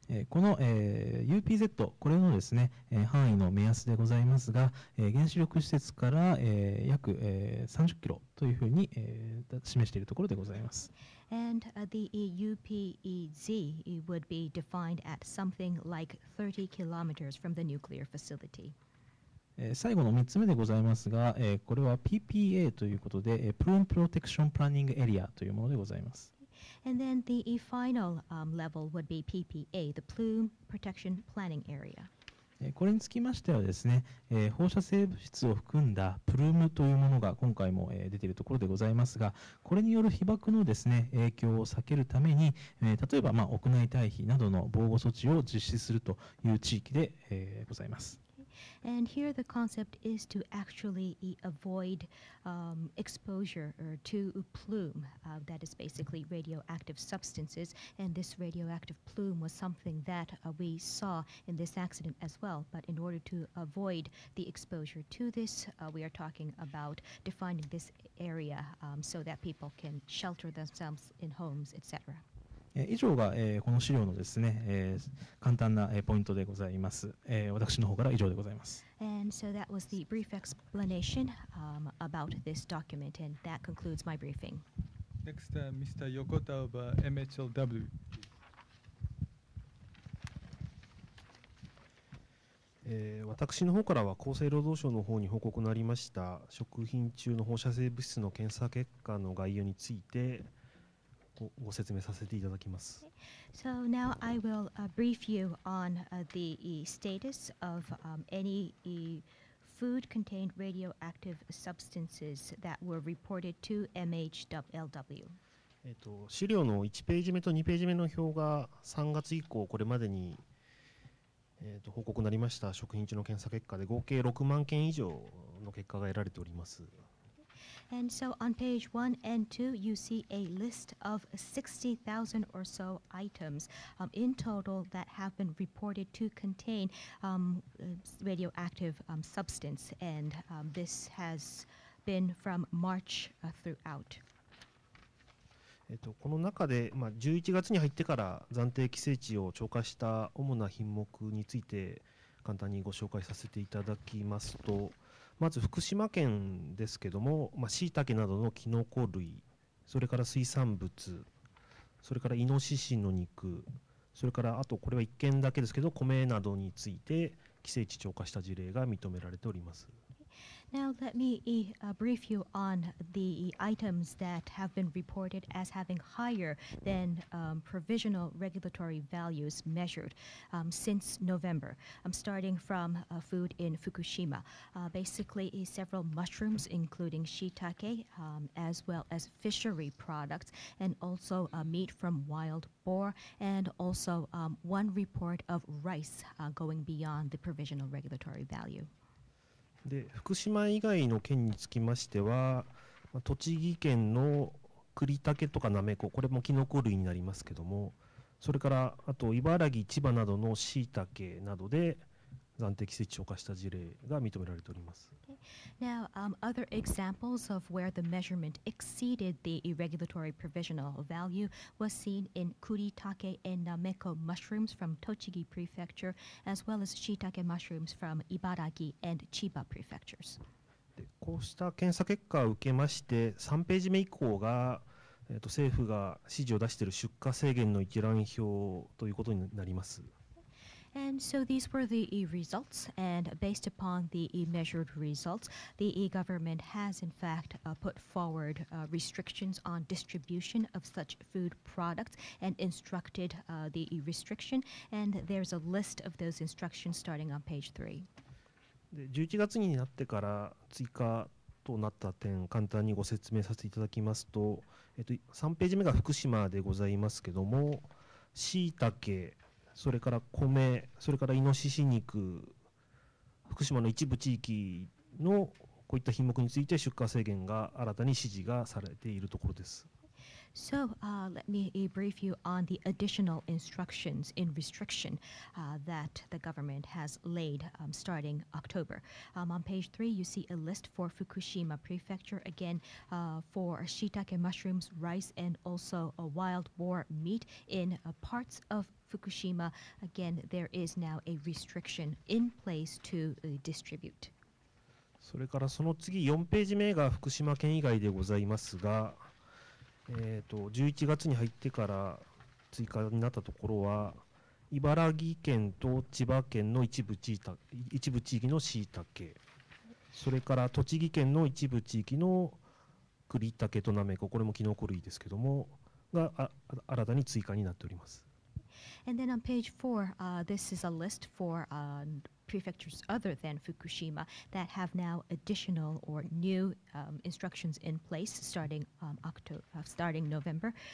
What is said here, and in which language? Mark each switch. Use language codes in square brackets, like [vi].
[ja] この、UPZ、これのですね、範囲の目安でございますが、原子力施設から、約、30キロというふうに、示しているところでございます。 [en] And the UPEZ would be defined at something like 30 kilometers from the nuclear facility. [ja] 最後の3つ目でございますが、これは PPA ということで、Plume Protection Planning Area というものでございます。 [en] And then the final level would be PPA, the Plume Protection Planning Area. [ja] これにつきましてはですね、放射性物質を含んだプルームというものが今回も出ているところでございますが、これによる被爆のですね、影響を避けるために、例えば屋内退避などの防護措置を実施するという地域でございます。 [en] And here the concept is to actually avoid exposure to plume, that is basically radioactive substances. And this radioactive plume was something that we saw in this accident as well. But in order to avoid the exposure to this, we are talking about defining this area so that people can shelter themselves in homes, etc. [ja] 以上が、この資料のですね、簡単な、ポイントでございます、私の方から以上でございます。 [en] And so that was the brief explanation, about this document, and that concludes my briefing. Next, Mr. Yokota of MHLW. [ja] 私の方からは厚生労働省の方に報告になりました食品中の放射性物質の検査結果の概要についてご説明させていただきます。 [en] So now I will brief you on the status of any food contained radioactive substances that were reported to MHLW. [ja] 資料の1ページ目と2ページ目の表が3月以降これまでに報告になりました食品中の検査結果で合計6万件以上の結果が得られております。 [en] And so on page 1 and 2, you see a list of 60,000 or so items in total that have been reported to contain radioactive substance. And this has been from March throughout. [ja] この中で、まあ、11月に入ってから暫定規制値を超過した主な品目について簡単にご紹介させていただきますと、まず福島県ですけども、まあ、椎茸などのキノコ類、それから水産物、それからイノシシの肉、それからあとこれは1件だけですけど米などについて規制値超過した事例が認められております。 [en] Now let me brief you on the items that have been reported as having higher than provisional regulatory values measured since November. I'm starting from food in Fukushima. Basically, several mushrooms, including shiitake, as well as fishery products, and also meat from wild boar, and also one report of rice going beyond the provisional regulatory value. [ja] で福島以外の県につきましては、まあ、栃木県の栗茸とかなめこ、これもキノコ類になりますけども、それからあと茨城、千葉などの椎茸などで暫定規制値を超過した事例が認められております。 [en] Now, other examples of where the measurement exceeded the regulatory provisional value was seen in kuritake and nameko mushrooms from Tochigi Prefecture, as well as shiitake mushrooms from Ibaraki and Chiba Prefectures. [ja] で、こうした検査結果を受けまして、3ページ目以降が、政府が指示を出している出荷制限の一覧表ということになります。 [en] And so these were the results, and based upon the measured results, the government has in fact put forward restrictions on distribution of such food products and instructed the restriction, and there's a list of those instructions starting on page 3. [ja] で、11月になってから追加となった点、簡単にご説明させていただきますと、3ページ目が福島でございますけども、しいたけ、それから米、それからイノシシ肉、福島の一部地域のこういった品目について出荷制限が新たに指示がされているところです。 [en] So, let me brief you on the additional instructions in restriction that the government has laid starting October. On page 3, you see a list for Fukushima Prefecture, again for shiitake mushrooms, rice, and also a wild boar meat in parts of Fukushima. Again, there is now a restriction in place to distribute. [ja] それからその次4ページ目が福島県以外でございますが、11月に入ってから追加になったところは茨城県と千葉県の一部地域の椎茸、それから栃木県の一部地域の栗茸となめこ、これもキノコ類ですけどもが新たに追加になっております。 [en] And then on page 4, this is a list for prefectures other than Fukushima that have now additional or new instructions in place starting starting November.